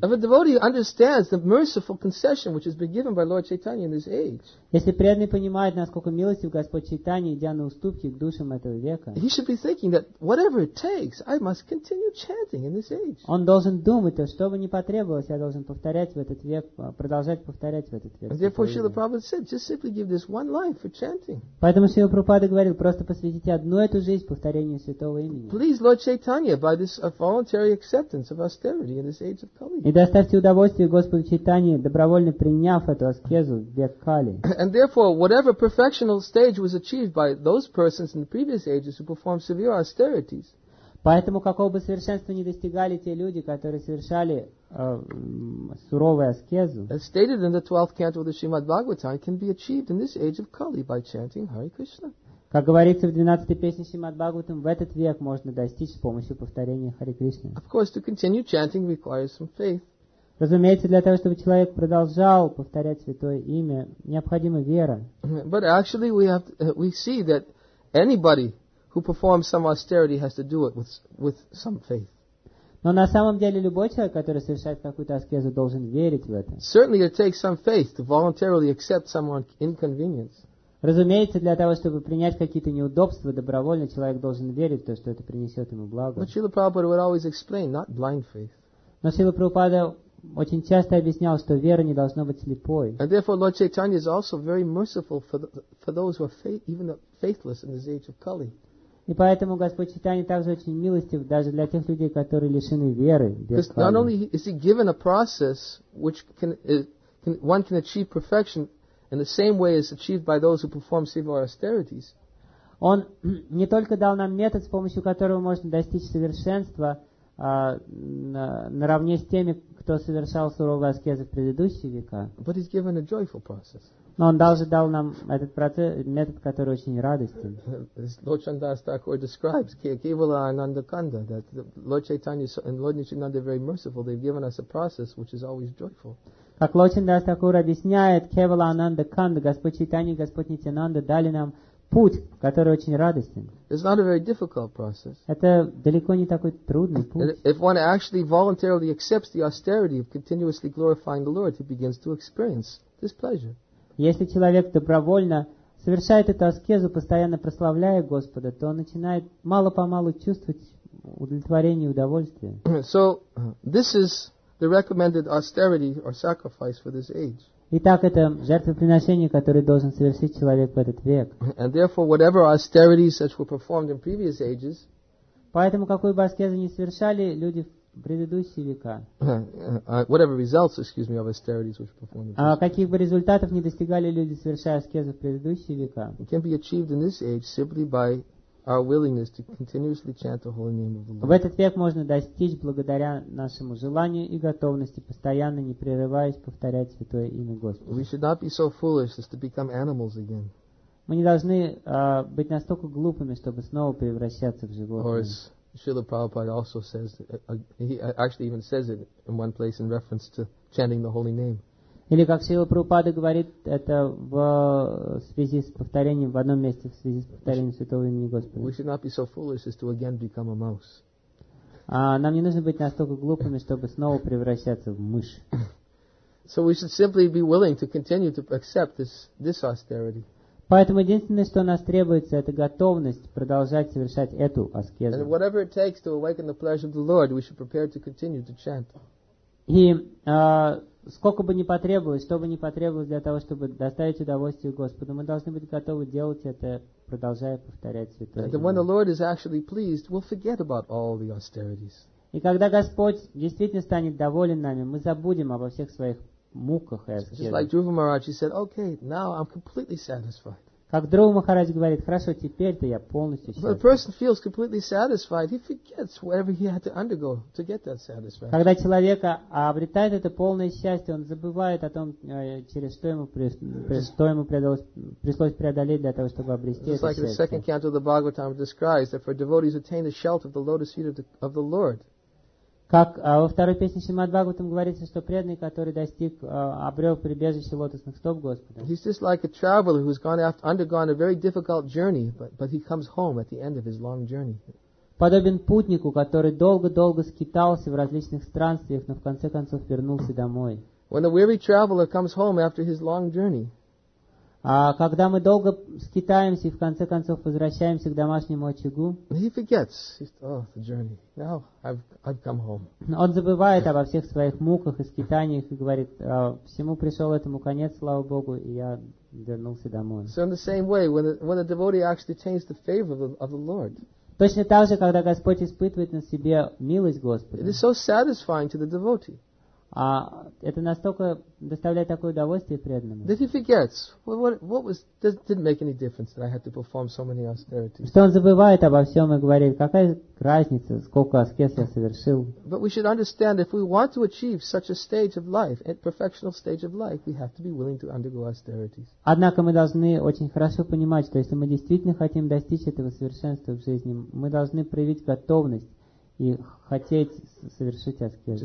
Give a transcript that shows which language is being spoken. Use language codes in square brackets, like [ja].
[en] If a devotee understands the merciful concession which has been given by Lord Chaitanya in this age. [ru] Если преданный понимает, насколько милостив Господь Чайтанья, идя на уступки к душам этого века, [en] he should be thinking that whatever it takes, I must continue chanting in this age. [ru] Он должен думать, что бы ни потребовалось, я должен повторять в этот век, продолжать повторять в этот век. [en] And therefore, Srila Prabhupada said, just simply give this one life for chanting. [ru] Поэтому Srila Prabhupada говорил, просто посвятите одну эту жизнь повторению святого имени. [en] Please, Lord Chaitanya, by this voluntary acceptance of austerity in this age of Kali. [ru] И доставьте удовольствие Господу Чайтанье, добровольно приняв эту аскезу в век Кали. [en] And therefore, whatever perfectional stage was achieved by those persons in the previous ages who performed severe austerities. [ru] Поэтому какого бы совершенства не достигали те люди, которые совершали суровую аскезу. [en] As stated in the 12th canto of the Srimad Bhagavatam, can be achieved in this age of Kali by chanting Hare Krishna. [ru] Как говорится в 12-й песне Шримад Бхагаватам, в этот век можно достичь с помощью повторения Харе Кришна. [en] Of course, to continue chanting requires some faith. [ru] Разумеется, для того, чтобы человек продолжал повторять святое имя, необходима вера. [en] But actually we see that anybody who performs some austerity has to do it with some faith. [ru] Но на самом деле любой человек, который совершает какую-то аскезу, должен верить в это. [en] Certainly it takes some faith to voluntarily accept someone inconvenience. [ru] Разумеется, для того, чтобы принять какие-то неудобства, добровольно человек должен верить в то, что это принесет ему благо. [en] But Srila Prabhupada would always explain, not blind faith. [ru] Но Srila Prabhupada очень часто объяснял, что вера не должна быть слепой. [en] And therefore Lord Chaitanya is also very merciful for those who are faithless in this age of Kali. [ru] И поэтому Господь Чайтанья также очень милостив даже для тех людей, которые лишены веры. [en] Because not only is he given a process which can one can achieve perfection in the same way as achieved by those who perform severe austerities. [ru] Он не только дал нам метод, с помощью которого можно достичь совершенства, наравне с теми, кто совершал суровые аскезы в предыдущие века. [en] But he's given a joyful process. [ru] Но он также дал нам этот процесс, метод, который очень радостен. [en] Lord Chandas Thakur describes Kevala Ananda Kanda, that Lord Chaitanya and Lord Nityananda are very merciful. They've given us a process which is always joyful. [ru] Как Lord Chandas Thakur объясняет, Kevala Ananda Kanda, Господь Чайтанья, Господь Нитянанда дали нам путь, который очень радостен. [en] It's not a very difficult process. [ru] Это далеко не такой трудный путь. [en] If one actually voluntarily accepts the austerity of continuously glorifying the Lord, he begins to experience this pleasure. [ru] Если человек добровольно совершает эту аскезу, постоянно прославляя Господа, то он начинает мало-помалу чувствовать удовлетворение и удовольствие. [en] So, this is the recommended austerity or sacrifice for this age. [ru] Итак, это жертвоприношение, которое должен совершить человек в этот век. [en] And therefore, whatever austerities such were performed in previous ages, [ru] поэтому какую бы аскезу ни совершали люди в предыдущие века, [en] whatever results, excuse me, of austerities which performed. [ru] Каких бы результатов не достигали люди, совершая аскезу в предыдущие века, [en] can be achieved in this age simply by our willingness to continuously chant the holy name of the Lord. [ru] В этот век можно достичь благодаря нашему желанию и готовности постоянно, не прерываясь, повторять святое имя Господа. [en] We should not be so foolish as to become animals again. [ru] Мы не должны быть настолько глупыми, чтобы снова превращаться в животных. [en] Srila Prabhupada also says, he actually even says it in one place in reference to chanting the holy name. [ru] Или как Srila Prabhupada говорит это в связи с повторением, в одном месте в связи с повторением святого имени Господа. [en] We should not be so foolish as to again become a mouse. [ru] Нам не нужно быть настолько глупыми, чтобы снова превращаться в мышь. [en] So we should simply be willing to continue to accept this austerity. [ru] Поэтому единственное, что у нас требуется, это готовность продолжать совершать эту аскезу. [en] And whatever it takes to awaken the pleasure of the Lord, we should prepare to continue to chant. [ru] И сколько бы ни потребовалось, что бы ни потребовалось для того, чтобы доставить удовольствие Господу, мы должны быть готовы делать это, продолжая повторять святое имя. [en] And when the Lord is actually pleased, we'll forget about all the austerities. [ru] И когда Господь действительно станет доволен нами, мы забудем обо всех своих муках и аскезах. [en] Just like Dhruva Maharaj, he said, okay, now I'm completely satisfied. [ru] Как Дрова Махарадж говорит, хорошо, теперь-то я полностью счастлив. [en] When a person feels completely satisfied, he forgets whatever he had to undergo to get that satisfaction. [ru] Когда человек обретает это полное счастье, он забывает о том, через что ему пришлось преодолеть для того, чтобы обрести это счастье. [en] Just like the second canto of the Bhagavatam describes, that for devotees attain the shelter of the lotus feet of the Lord. [ru] Как во второй песне Шримад Бхагаватам говорится, что преданный, который достиг, обрел прибежище лотосных стоп Господа. [en] He's just like a traveler who's gone after, undergone a very difficult journey, but he comes home at the end of his long journey. [ru] Подобен путнику, который долго-долго скитался в различных странствиях, но в конце концов вернулся домой. [en] When a weary traveler comes home after his long journey, [ru] А когда мы долго скитаемся и в конце концов возвращаемся к домашнему очагу, он забывает обо всех своих муках и скитаниях и говорит, всему пришел этому конец, слава Богу, и я вернулся домой. [en] So in the same way, when a devotee actually changes the favor of the Lord. [ru] Точно так же, когда Господь испытывает на себе милость Господа. [en] It is so satisfying to the devotee. [ru] А это настолько доставляет такое удовольствие преданному. [en] That he forgets. What didn't make any difference that I had to perform so many austerities. [ru] Что он забывает обо всем и говорит, какая разница, сколько аскез я совершил. [en] But we should understand if we want to achieve such a stage of life, a perfectional stage of life, we have to be willing to undergo austerities. [ru] Однако мы должны очень хорошо понимать, что если мы действительно хотим достичь этого совершенства в жизни, мы должны проявить готовность и хотеть совершить аскезу.